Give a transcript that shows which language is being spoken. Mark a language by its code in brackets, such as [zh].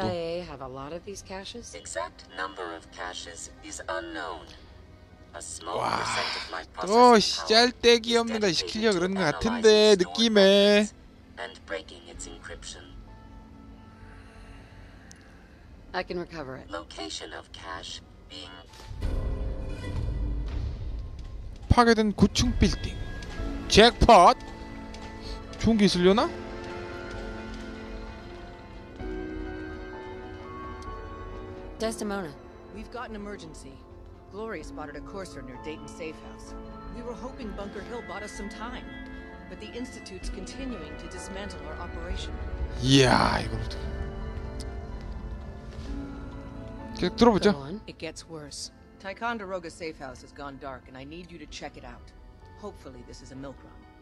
[en] DIA have a lot of these caches? Exact number of caches is unknown. A small percent of my process. [ko] 또 짤데기 없는 거 시키려 그런 거 같은데 느낌에. [en] And breaking its encryption. I can recover it. Location of cache being [ko] 파괴된 9층 빌딩. 잭팟! 좋은 게 있으려나? [en] 데스티모나, we've got an emergency. Gloria spotted a courser near Dayton Safe House. We were hoping Bunker Hill bought us some time, but the Institute's continuing to dismantle our operation. [ko] 이야, 이거 어떻게 들어보자. [en] Go on. It gets worse. Ticonderoga Safe House has gone dark, and I need you to check it out. Hopefully, this is a milk run.